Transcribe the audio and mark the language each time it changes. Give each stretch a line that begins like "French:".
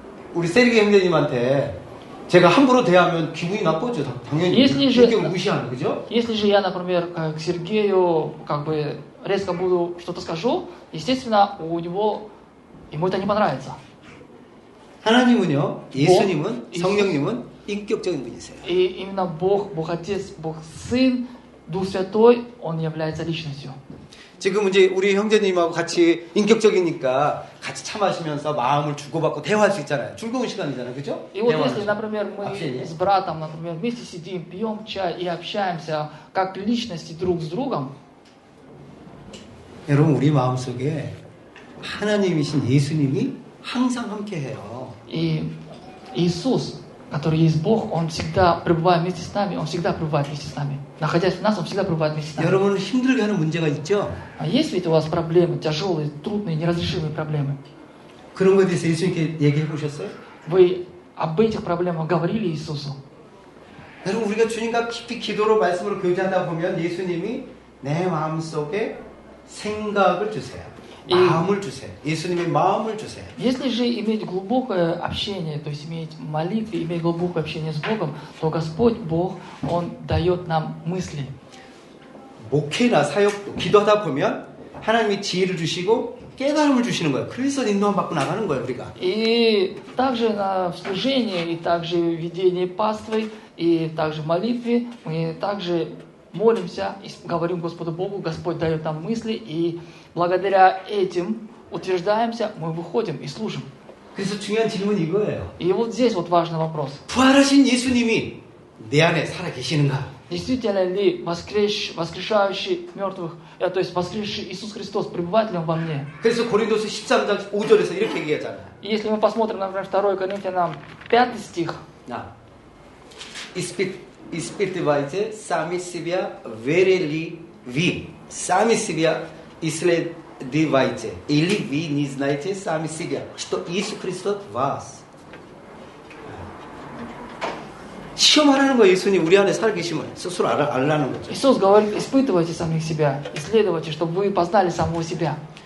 Korean: 우리 세르게 형제님한테 제가 함부로 대하면 기분이 나쁘죠. 당연히 그렇게 무시하는 거죠.
Russian: Если же я, например, к Сергею как бы резко буду что-то скажу, естественно, у него ему это не понравится.
Korean: 하나님은요, 예수님은, 성령님은 인격적인 분이세요.
Russian: И именно Бог, Бог Отец, Бог Сын, Дух Святой, он является личностью.
Korean: 지금 이제 우리 형제님하고 같이 인격적이니까 같이 차 마시면서 마음을 주고받고 대화할 수 있잖아요. 즐거운 시간이잖아요. 그렇죠?
Russian: 이 вот если, например, мы с братом, например, вместе сидим, пьём чай и общаемся как личности друг с другом.
Korean: 여러분, 우리 마음속에 하나님이신 예수님이 항상 함께 해요.
Russian: 이 예수스, который есть Бог, он всегда пребывает вместе с нами, он всегда пребывает вместе с нами. Находясь в нас, он всегда пребывает вместе с нами.
Korean: 여러분, 힘들게 하는 문제가 있죠?
Russian: А есть ведь у вас проблемы, тяжелые, трудные, неразрешимые проблемы?
Korean: 그런 것에 대해서 예수님께 얘기해 보셨어요?
Russian: Вы об этих проблемах говорили Иисусу?
Korean: 여러분, 우리가 주님과 깊이 기도로 말씀으로 교제하다 보면 예수님이 내 마음속에 생각을 주세요. 마음을 주세요. 예수님의 마음을 주세요.
Russian: Если же иметь глубокое общение, то есть иметь молитвы, иметь глубокое общение с Богом, то Господь Бог, Он дает нам мысли.
Korean: 목회나 사역도 기도하다 보면 하나님이 지혜를 주시고 깨달음을 주시는 거예요. 그래서 인도함 받고 나가는 거예요, 우리가.
Russian: И также на служение и также ведение паствы и также молитвы мы также молимся и говорим Господу Богу, Господь дает нам мысли и благодаря этим утверждаемся, мы выходим и служим.
Korean: 그래서 중요한 질문 이거예요.
Russian: И вот здесь вот важный вопрос.
Korean: 부활하신 예수님이 내 안에 살아 계시는가?
Russian: Действительно ли воскрешающий мертвых, то есть воскресший Иисус Христос пребывает ли он во мне?
Korean: 그래서 고린도서 13장 5절에서 이렇게 얘기하잖아요.
Russian: Если мы посмотрим, например, 2 Коринфянам 5 стих. Да. Испытывайте сами себя, верили ли вы? Сами себя исследуйте, или вы не знаете сами себя, что Иисус Христос в вас.
Korean: 시험하라는 거예요, 예수님. 우리 안에 살아계시면 스스로 알라는 거죠.
Russian: Иисус говорит, испытывайте самих себя, исследуйте, чтобы вы познали самого себя.